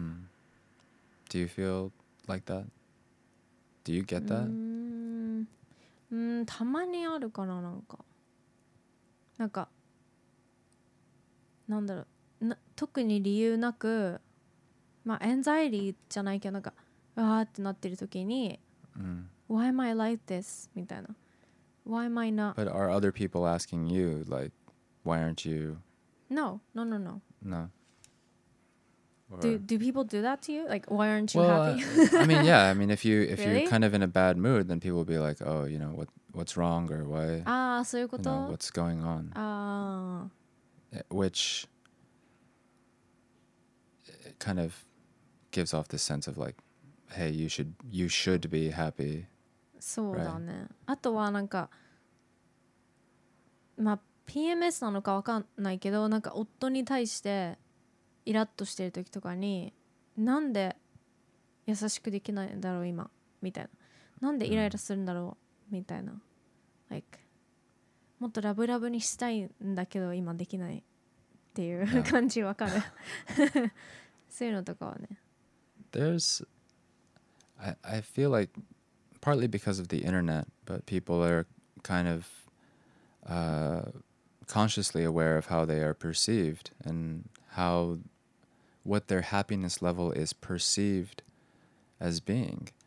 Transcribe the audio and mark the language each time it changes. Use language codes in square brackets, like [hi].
[en] Mm. Do you feel like that? Do you get that? [ja] たまにあるかな、なんか。なんか、なんだろう、特に理由なく、まあ、anxiety じゃないけど、なんか、うわーってなってる時に、 mm. [en] Why am I like this? [ja] みたいな。 [en] Why am I not? But are other people asking you, like,Why aren't you? No. No. Do people do that to you? Like, why aren't you happy? I mean, yeah. I mean, if you're kind of in a bad mood, then people will be like, oh, you know, what's wrong or why? [ja] Ah, そういうこと? [en] You know, what's going on? Which kind of gives off this sense of like, hey, you should be happy. [ja] そうだね。あとはなんか、まあPMS なのか分かんないけど、なんか夫に対してイラッとしてる時とかに、なんで優しくできないんだろう今みたいな、なんでイライラするんだろうみたいな、like、もっとラブラブにしたいんだけど今できないっていう感じ分かる、そういうのとかはね。 [en] There's I feel like partly because of the internet, but people are kind of consciously aware of how they are perceived and how what their happiness level is perceived as being.